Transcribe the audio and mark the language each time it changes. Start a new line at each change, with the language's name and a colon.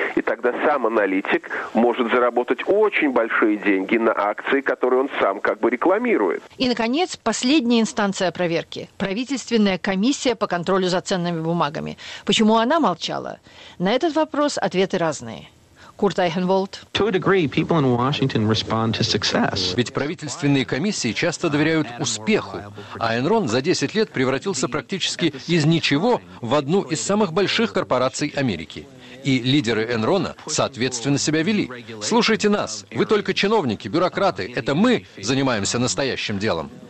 Russian: И тогда сам аналитик может заработать очень большие деньги на акции, которые он сам как бы рекламирует. И, наконец, последняя инстанция проверки – правительственная комиссия по контролю за ценными бумагами. Почему она молчала? На этот вопрос ответы разные. Курт Айхенвольд.
English: To a degree, people in Washington respond to success.
Russian: Ведь правительственные комиссии часто доверяют успеху, а Enron за 10 лет превратился практически из ничего в одну из самых больших корпораций Америки. И лидеры Энрона соответственно себя вели. Слушайте нас, вы только чиновники, бюрократы, это мы занимаемся настоящим делом.